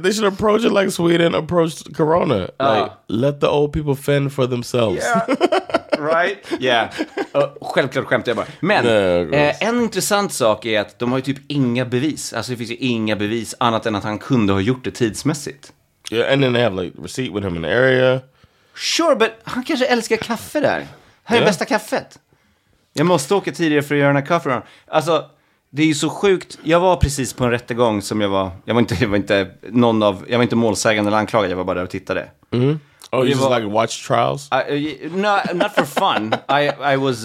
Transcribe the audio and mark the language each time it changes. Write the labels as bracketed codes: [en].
[en] They should approach it like Sweden approached corona. Like, let the old people fend for themselves. Yeah. Right? Yeah. [sv] Självklart skämt jag bara. Men en intressant sak är att de har ju typ inga bevis. Alltså det finns ju inga bevis annat än att han kunde ha gjort det tidsmässigt. [en] Yeah, and then they have like receipt with him in the area. Sure, but [sv] han kanske älskar kaffe där. Här är bästa kaffet. Jag måste åka tidigare för att göra den här kaffe. Alltså, det är ju så sjukt. Jag var precis på en rättegång som jag var inte målsägande eller anklagad. Jag var bara där och tittade. [en] Mm-hmm. Oh, you just like watch trials? No, not for fun. I was...